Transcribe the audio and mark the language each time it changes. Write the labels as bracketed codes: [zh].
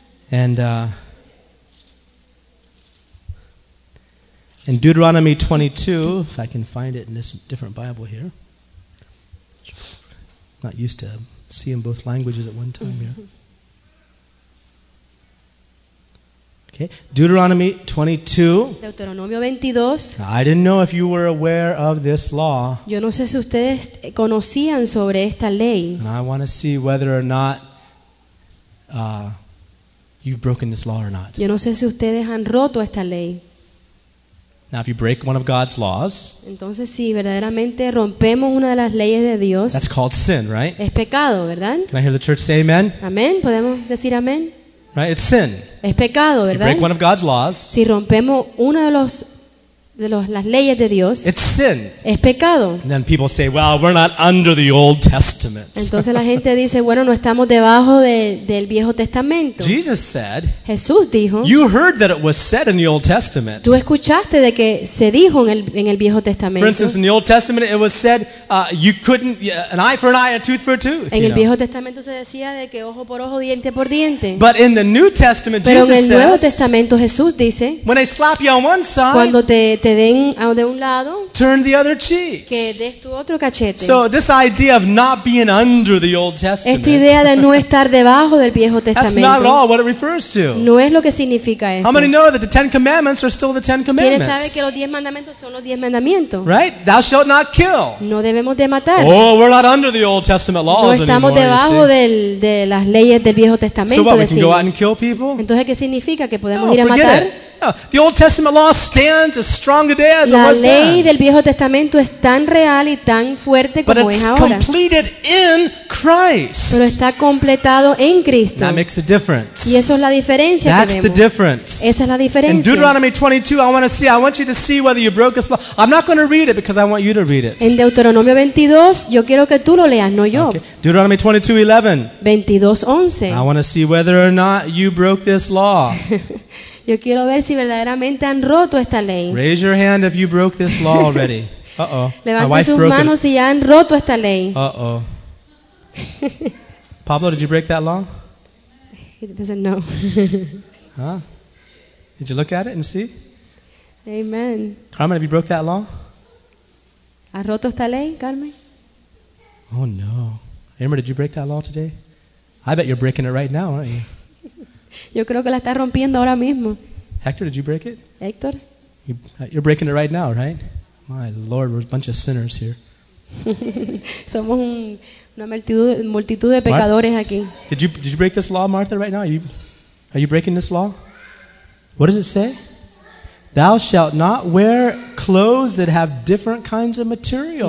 [en] And in Deuteronomy 22, if I can find it in this different Bible here. I'm not used to seeing both languages at one time here. Okay. Deuteronomy 22. I didn't know if you were aware of this law. [es] Yo no sé si ustedes conocían sobre esta ley. [en] And I want to see whether or not you've broken this law or not. [es] Yo no sé si ustedes han roto esta ley. [en] Now, if you break one of God's laws, [es] entonces si verdaderamente rompemos una de las leyes de Dios, [en] that's called sin, right? [es] Es pecado, ¿verdad? [en] Can I hear the church say amen? [es] Amen. Podemos decir amen. [en] Right, it's sin. [es] Es pecado, ¿verdad? [en] You break one of God's laws. [es] Si rompemos una de las leyes de Dios. [en] It's sin. [es] Es pecado. [en] And then people say, "Well, we're not under the Old Testament." [es] Entonces la gente dice, "Bueno, no estamos debajo del Viejo Testamento." [en] Jesus said. [es] Jesús dijo. [en] You heard that it was said in the Old Testament. [es] Tú escuchaste de que se dijo en el Viejo Testamento. [en] For instance, in the Old Testament, it was said, "You couldn't an eye for an eye, a tooth for a tooth." [es] En el Viejo Testamento se decía de que ojo por ojo, diente por diente. [en] But in the New Testament, [es] pero [en] Jesus [es] en el Nuevo [en] says, [es] Testamento, Jesús dice, [en] "When they slap you on one side." [es] Cuando te den de un lado, [en] turn the other cheek. [es] Que des tu otro cachete. [en] So this idea of not being under the Old Testament. [es] Esta idea de no estar debajo del Viejo Testamento. [en] That's not at all what it refers to. [es] No es lo que significa esto. [en] How many know that the Ten Commandments are still the Ten Commandments? [es] ¿Quién sabe que los diez mandamientos son los diez mandamientos? [en] Right? Thou shalt not kill. [es] No debemos de matar. [en] Oh, we're not under the Old Testament laws anymore. [es] No estamos debajo de las leyes del Viejo Testamento. [en] So what, we can go out and kill people? [es] Entonces, ¿qué significa que podemos no, ir a matar? [en] It. The Old Testament law stands as strong today as it was then. [es] La ley del Viejo Testamento es tan real y tan fuerte como es ahora. [en] But it's completed in Christ. [es] Pero está completado en Cristo. [en] That makes a difference. [es] Y eso es la diferencia. [en] That's the difference. [es] Esa es la diferencia. [en] In Deuteronomy 22, I want you to see whether you broke this law. I'm not going to read it because I want you to read it. [es] En Deuteronomio 22, yo quiero que tú lo leas, no yo. [en] Okay. Deuteronomy 22:11. 22:11. I want to see whether or not you broke this law. [es] Yo quiero ver si verdaderamente han roto esta ley. [en] Raise your hand if you broke this law already. Uh-oh. [es] Levanten sus manos si ya han roto esta ley. Uh-oh. [en] Pablo, did you break that law? He doesn't know. Huh? Did you look at it and see? Amen. Carmen, have you broke that law? [es] ¿Has roto esta ley, Carmen? [en] Oh, no. Amber, did you break that law today? I bet you're breaking it right now, aren't you? [es] Yo creo que la está rompiendo ahora mismo. [en] Hector, did you break it? Hector? You're breaking it right now, right? My Lord, we're a bunch of sinners here. [es] Somos una multitud de pecadores aquí. [en] Did you break this law, Martha, right now? Are you breaking this law? What does it say? Thou shalt not wear clothes that have different kinds of material.